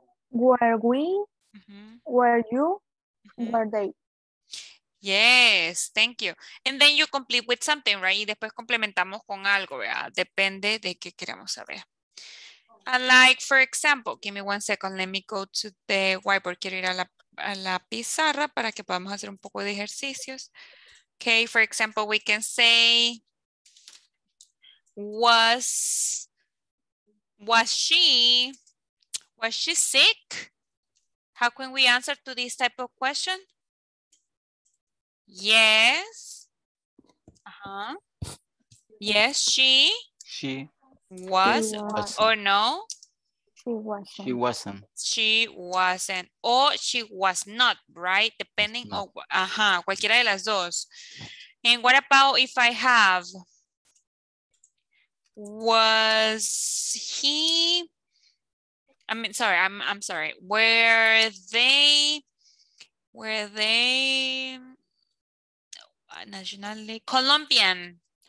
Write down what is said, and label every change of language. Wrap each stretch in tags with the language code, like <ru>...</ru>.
<en>Were we, mm-hmm. were you, mm-hmm. were they. Yes, thank you. And then you complete with something, right?</en> <es>Y después complementamos con algo, ¿verdad? Depende de qué queremos saber.</es> <en>And like, for example, give me one second. Let me go to the whiteboard.</en> <es>Quiero ir a la pizarra para que podamos hacer un poco de ejercicios.</es> <en>Okay, for example, we can say, was she sick? How can we answer to this type of question? Yes. Uh-huh. Yes, she was or no? She wasn't. Or she was not, right? Depending on</en> <es>uh-huh, cualquiera de las dos.</es> <en>And what about if I have were they nationally Colombian?</en>